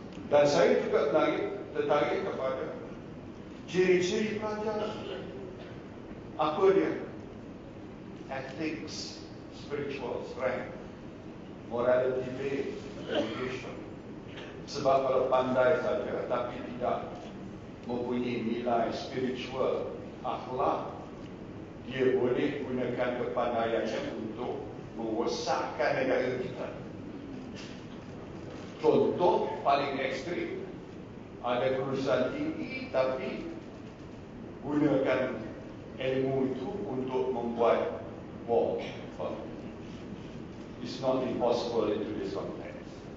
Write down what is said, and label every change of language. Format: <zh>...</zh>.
<ms>Dan saya juga tertarik kepada ciri-ciri pelajar. Apa dia?</ms> <en>Ethics, spiritual strength, morality based education.</en> <ms>Sebab kalau pandai saja tapi tidak mempunyai nilai spiritual, akhlak, dia boleh gunakan kepandaiannya untuk mengosakkan negara kita. Contoh paling ekstrim, ada kelulusan tinggi tapi gunakan ilmu itu untuk membuat bom.</ms> <en>It's not impossible in today's context.</en>